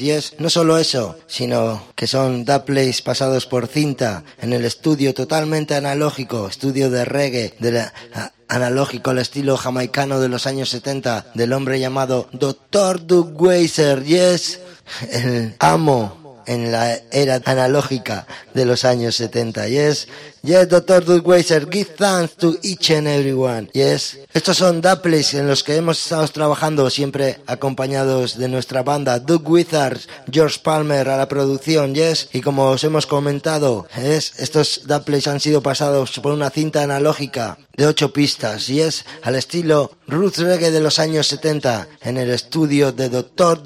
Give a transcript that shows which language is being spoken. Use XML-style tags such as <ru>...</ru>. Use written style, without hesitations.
<es>Y es no solo eso, sino que son Dub Plays pasados por cinta en el estudio totalmente analógico, estudio de reggae, de la, analógico al estilo jamaicano de los años 70, del hombre llamado Dr. Doug Weiser. Y es el amo en la era analógica de los años 70.</es> <en>Yes, yes, Dr. Doug Weiser, give thanks to each and everyone.</en> <es>Yes, estos son Dub Plays en los que hemos estado trabajando, siempre acompañados de nuestra banda, Doug Wizards, George Palmer a la producción. Yes, y como os hemos comentado, yes, estos Dub Plays han sido pasados por una cinta analógica de 8 pistas. Yes, al estilo Roots Reggae de los años 70, en el estudio de Dr.</es>